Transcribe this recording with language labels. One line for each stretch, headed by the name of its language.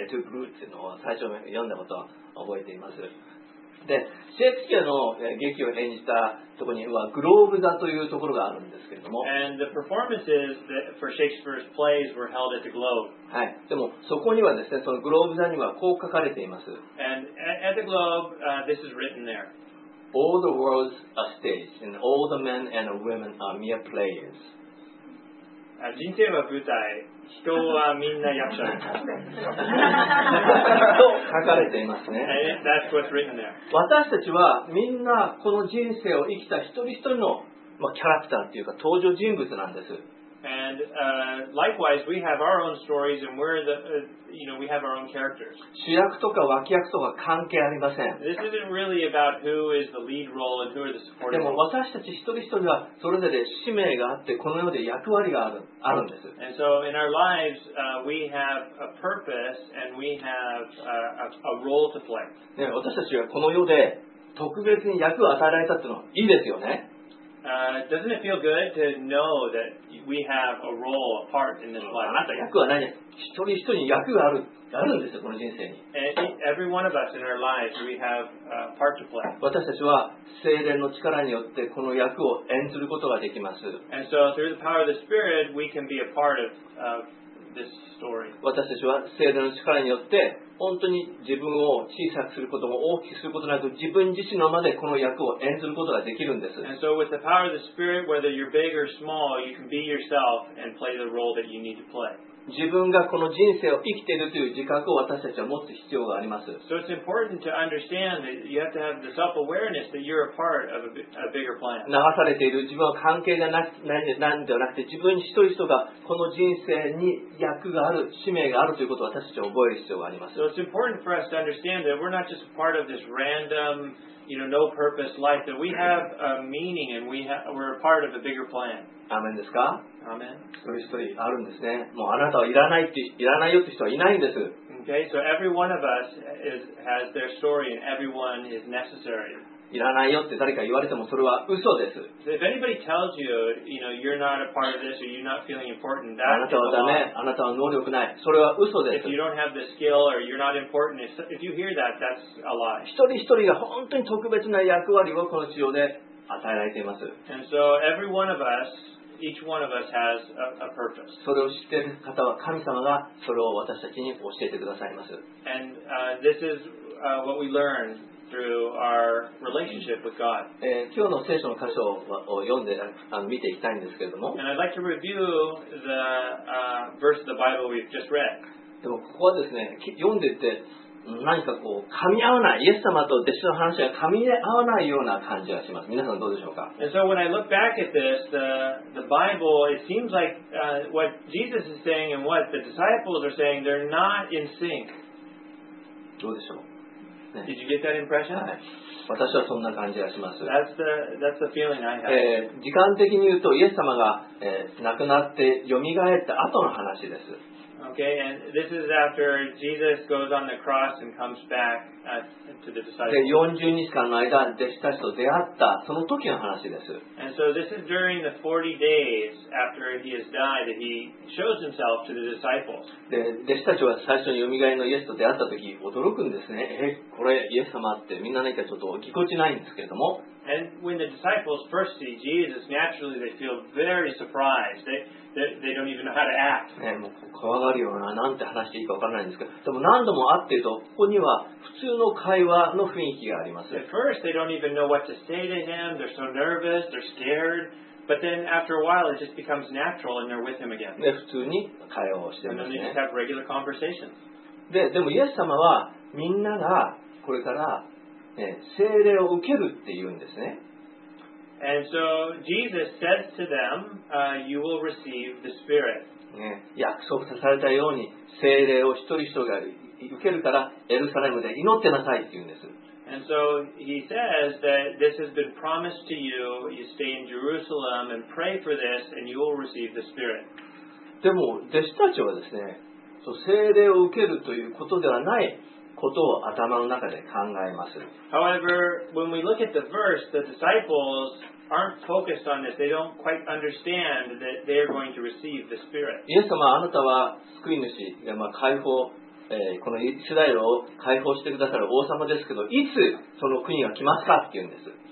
English: To Brute
Japanese: っていうのを最初読んだことを覚えています。で、シェイクスピアの劇を演じたところにはグローブ座というところがあるんですけれども。
English: And the performances for Shakespeare's plays were held at the Globe. はい。
Japanese: でも、そこにはですね、そのグローブ座にはこう書かれています。
English: And at the Globe, this is written there. All the world's a stage, and all the men and women are mere players.
Japanese: 人生は舞台、人はみんな役者。と書かれていますね。
English: That's what's written there.
Japanese: 私たちはみんなこの人生を生きた一人一人の、まあ、キャラクターというか登場人物なんです。
English: And likewise, we have our own stories, and we're the, you know, we have our own characters.
Japanese: 主役とか脇役とか関係ありません。
English: This isn't really about who is the lead role and who are the supporting.
Japanese: でも私たち一人一人はそれぞれ使命があってこの世で役割がある、あるんです。
English: And so in our lives, we have a purpose and we have a role to play.
Japanese: ね、私たちがこの世で特別に役を与えられたっていうのはいいですよね。
English: Doesn't it feel good to know that we have a role, a part in this life?
Japanese: あなた役は何や。一人一人に役がある、あるんですよ、この人生に。
English: Every one of us in our lives, we have a part to play.
Japanese: 私たちは聖霊の力によってこの役を演じることができます。
English: And so through the power of the Spirit, we can be a part of, this story.
Japanese: 私たちは聖霊の力によって本当に自分を小さくすることも大きくすることなく自分自身のままでこの役を演じることができるんです。
English: And so with the power of the Spirit, whether you're big or small, you can be yourself and play the role that you need to play.
Japanese: 自分がこの人生を生きているという自覚を私たちは持つ必要があります。
English: So it's important to understand that you have to have the self-awareness that you're a part of a bigger plan.
Japanese: 流されている自分は関係がないんではなくて、自分一人一人がこの人生に役がある、使命があるということを私たちは覚える必要があります。
English: So it's important for us to understand that we're not just part of this random, you know, no purpose life, that we have a meaning and we're a part of a bigger plan.
Japanese: アーメンですか？アーメン。一人一人あるんですね。もうあなたはいらないよって人はいないんです。
English: Okay, so every one of us has their story and everyone is necessary.
Japanese: いらないよって誰か言われてもそれは嘘です。
English: So、if anybody tells you, you know, you're not a part of this or you're not feeling important, that's wrong.
Japanese: あなたはダメ。あなたは能力ない。それは嘘です。
English: If you don't have the skill or you're not important, if you hear that, that's a lie.
Japanese: 一人一人が本当に特別な役割をこの地上で与えられています。
English: And so every one of us,Each one of us has a purpose.
Japanese: それを知っている方は神様がそれを私たちに教えてくださいます。
English: And this is what we learn through our relationship with God.
Japanese: 今日の聖書の箇所を読んで見ていきたいんですけれども。
English: And I'd like to review the verse of the Bible we've just read.
Japanese: でもここはですね、読んでて何かこう噛み合わない、イエス様と弟子の話が噛み合わないような感じがします。皆さんどうでしょうか？
English: And so when I look back at this, the Bible, it seems like what Jesus is saying and what the disciples are saying, they're not in sync.
Japanese: どうでしょう、
English: ね、Did you get that impression?
Japanese: はい、私はそんな感じがします。
English: That's the feeling I have.
Japanese: 時間的に言うとイエス様が、亡くなって蘇った後の話です。
English: Okay, and this is after Jesus goes on the cross and comes back to the disciples.
Japanese: 40日間の間、弟子たちと出会ったその時の話です。
English: And so this is during the 40 days after he has died that he shows himself to the disciples.
Japanese: 弟子たちは最初に蘇りのイエスと出会った時、驚くんですね。これイエス様ってみんな何かちょっとぎこちないんですけれども。
English: And when the disciples first see Jesus, naturally they feel very surprised. They don't even know how to act.
Japanese: もう怖がるような、なんて話していいか分からないんですけど、でも何度も会っていると、ここには普通の会話の雰囲気があります。
English: At first, they don't even know what to say to him. They're so nervous, they're scared. But then, after a while, it just becomes natural and they're with him again.
Japanese: で、普通に会話をしてますね。
English: And then they just have regular conversations.
Japanese: でも、イエス様は、みんながこれから、ね、聖霊を受けるって言うんですね。
English: And so Jesus says to them, you will receive the Spirit.
Japanese: 約束されたように聖霊を一人一人が受けるからエルサレムで祈ってなさいって言うんです。
English: And so he says that this has been promised to you, you stay in Jerusalem and pray for this and you will receive the Spirit.
Japanese: でも弟子たちはですね、そう聖霊を受けるということではない。ことを頭の中で考えます。
English: However, when we look at the verse, the disciples aren't focused on this. They don't quite understand that they are going to receive the Spirit.
Japanese: イエス様、あなたは救い主、まあ、解放、このイスラエルを解放してくださる王様ですけど、いつその国が来ますかっていうんです。